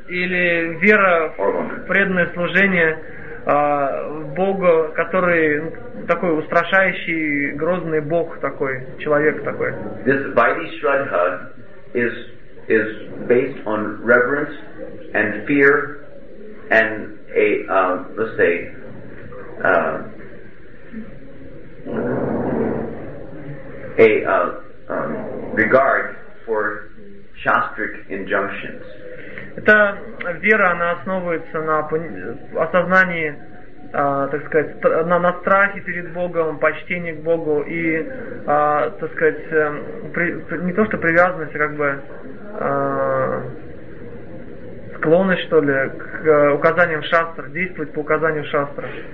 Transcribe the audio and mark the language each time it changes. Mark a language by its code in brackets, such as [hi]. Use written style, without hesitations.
[ru] Или вера преданное служение Богу, который такой устрашающий, грозный Бог такой, человек такой. [en] This Vaidhi Shraddha is based on reverence and fear and a regard for shastric injunctions. [ru] Эта вера, она основывается на осознании, так сказать, на страхе перед Богом, почтении к Богу и, так сказать, не то что привязанность, а как бы склонность, что ли, к указаниям шастр, действовать по указанию шастра.